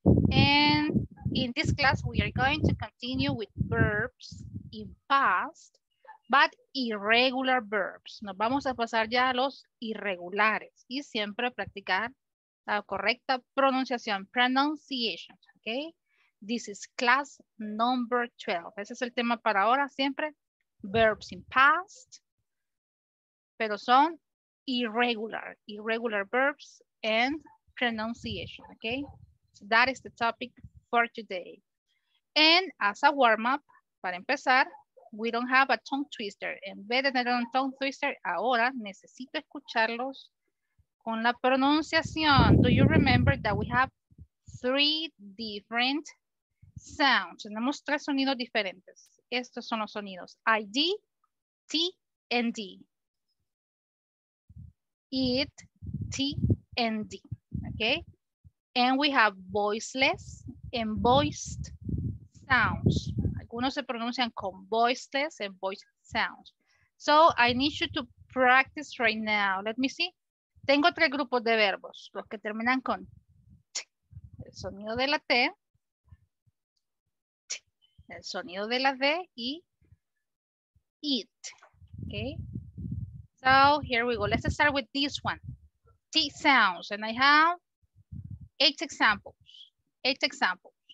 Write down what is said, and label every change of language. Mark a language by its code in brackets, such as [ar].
[en] And in this class, we are going to continue with verbs in past, but irregular verbs. [es] Nos vamos a pasar ya a los irregulares y siempre practicar la correcta pronunciación. [en] Pronunciation. Okay. This is class number 12. [es] Ese es el tema para ahora, siempre. [en] Verbs in past. [es] Pero son irregular. [en] Irregular verbs and pronunciation. Okay? So that is the topic for today. And as a warm-up, [es] para empezar, [en] we don't have a tongue twister. [es] En vez de tener un tongue twister, ahora necesito escucharlos con la pronunciación. [en] Do you remember that we have 3 different sounds. [es] Tenemos 3 sonidos diferentes. Estos son los sonidos. ID, T, and D. [en] It, T, and D. Okay? And we have voiceless and voiced sounds. [es] Algunos se pronuncian con [en] voiceless and voiced sounds. So I need you to practice right now. Let me see. [es] Tengo 3 grupos de verbos. Los que terminan con T, el sonido de la T. El sonido de la D y it. [en] Okay. So here we go. Let's start with this one. T sounds. And I have 8 examples. 8 examples.